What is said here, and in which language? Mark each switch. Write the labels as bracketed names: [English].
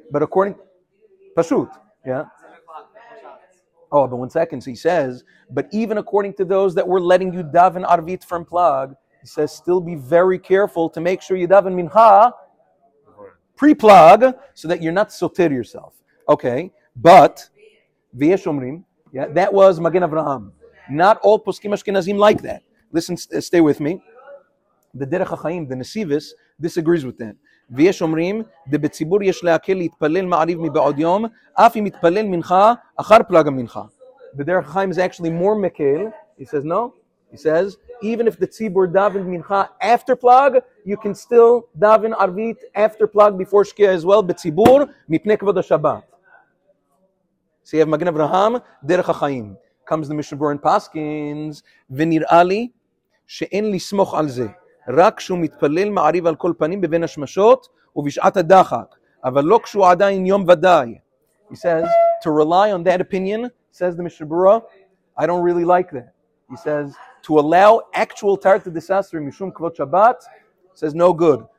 [English] But according, Pashut, yeah. Oh, but 1 second, so he says, but even according to those that were letting you daven Arvit from plug, he says, still be very careful to make sure you daven Mincha, pre-plug, so that you're not soter yourself. Okay, but, V'yesh Omrim, yeah, that was Magen Avraham. Not all Poskim Ashkenazim like that. Listen, stay with me. The Derech HaChaim, the Nesivis, disagrees with that. [Hebrew] ויש אומרים, בציבור יש להקל להתפלל מעריב מבעוד יום, אף אם יתפלל מנחה, אחר פלג המנחה. [English] בדרך חיים is actually more מקל. He says, no. He says, even if the ציבור דאבן מנחה after plug, you can still דאבן ערבית after plug before שקיע as well, [Hebrew] בציבור, מפני כבוד השבת. [English] So you have מגן אברהם, דרך החיים. Comes the Mishneh Berurah in Paskins, [Hebrew] ונראה לי שאין לסמוך על זה. רק שהוא מתפלל מעריב על כל פנים בבין השמשות ובשעת הדחק, אבל לא כשהוא עדיין יום ודאי. [English] He says, to rely on that opinion, says the Mishneh Berurah, I don't really like that. He says, to allow actual tarte desasri mishum kvot Shabbat, says no good.